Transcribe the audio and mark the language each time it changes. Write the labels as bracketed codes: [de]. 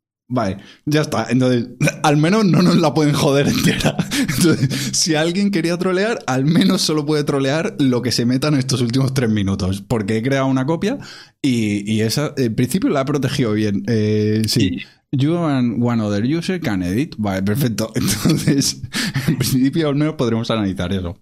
[es] Vale, ya está. Entonces, al menos no nos la pueden joder entera. Entonces, si alguien quería trolear, al menos solo puede trolear lo que se meta en estos últimos 3 minutos. Porque he creado una copia y esa, en principio, la he protegido bien. Sí. [en] You and one other user can edit. [es] Vale, perfecto. Entonces, en principio, al menos podremos analizar eso.